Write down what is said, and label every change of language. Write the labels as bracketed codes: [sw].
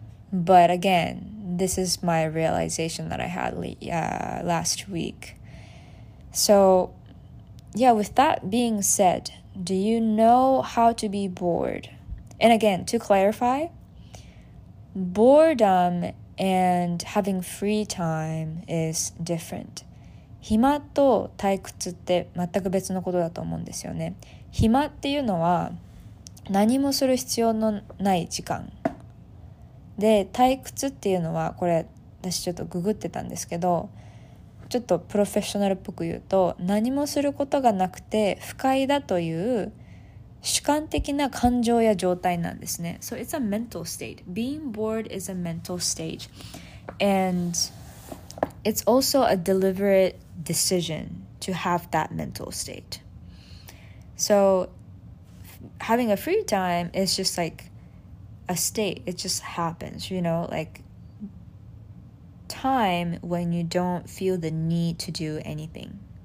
[en] But again, this is my realization that I had last week. So, yeah, with that being said, do you know how to be bored? And again, to clarify, boredom and having free time is different. [ja] 暇と退屈って全く別のことだと思うんですよね。暇っていうのは何もする必要のない時間。で、退屈っていうのは、これ私ちょっとググってたんですけど、ちょっとプロフェッショナルっぽく言うと、何もすることがなくて不快だという主観的な感情や状態なんですね。 [en] So it's a mental state. Being bored is a mental state. And it's also a deliberate decision to have that mental state. So having a free time is just like a state. It just happens, you know, like time when you don't feel the need to do anything.